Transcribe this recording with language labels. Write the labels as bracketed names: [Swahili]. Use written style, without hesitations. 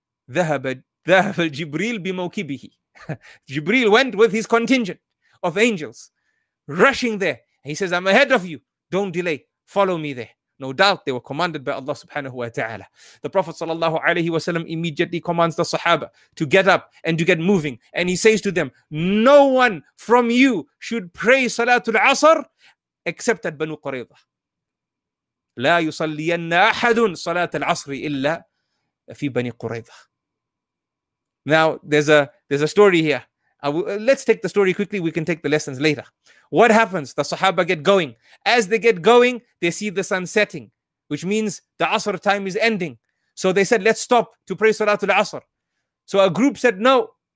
[English] Dhahab al-Jibril bimawkibihi. Jibril went with his contingent of angels, rushing there. He says, I'm ahead of you. Don't delay. Follow me there. No doubt they were commanded by Allah subhanahu wa ta'ala. The Prophet sallallahu alayhi wa sallam immediately commands the Sahaba to get up and to get moving. And he says to them, no one from you should pray Salatul Asr except at Banu Qurayza. [Arabic] لا يصلينا أحد صلاة العصر إلا في بني قريظة. [English] Now, there's a story here. Let's take the story quickly. We can take the lessons later. What happens? The Sahaba get going. As they get going, they see the sun setting, which means the Asr time is ending. So they said, let's stop to pray Salatul Asr. So a group said, no.